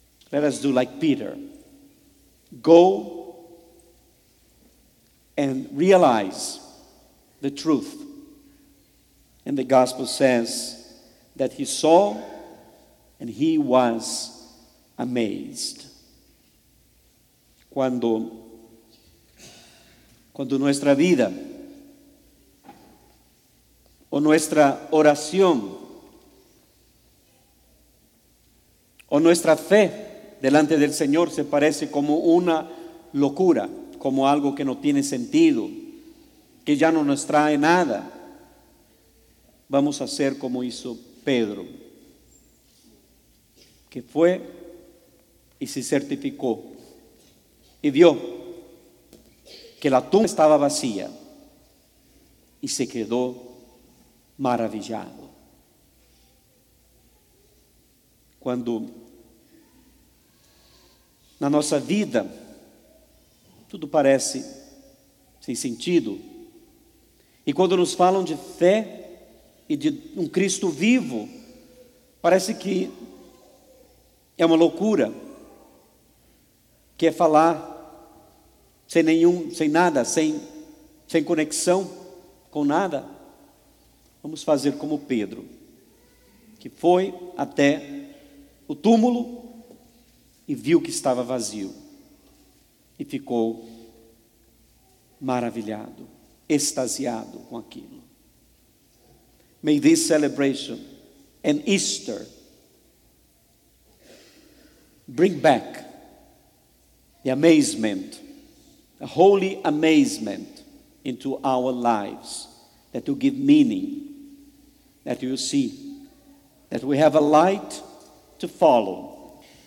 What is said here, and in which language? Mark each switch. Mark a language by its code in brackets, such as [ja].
[en] Let us do like Peter. Go and realize the truth. And the gospel says that he saw and he was amazed. [es] Cuando nuestra vida o nuestra oración o nuestra fe delante del Señor se parece como una locura, como algo que no tiene sentido, que ya no nos trae nada, vamos a hacer como hizo Pedro, que fue y se certificó y vio que la tumba estaba vacía y se quedó maravillado. [pt] Cuando na nossa vida tudo parece sem sentido, e quando nos falam de fé e de um Cristo vivo, parece que é uma loucura, que é falar sem conexão com nada. Vamos fazer como Pedro, que foi até o túmulo e viu que estava vazio e ficou maravilhado, extasiado com aquilo. [en] May this celebration and Easter bring back the amazement, a holy amazement into our lives, that will give meaning, that you see that we have a light to follow,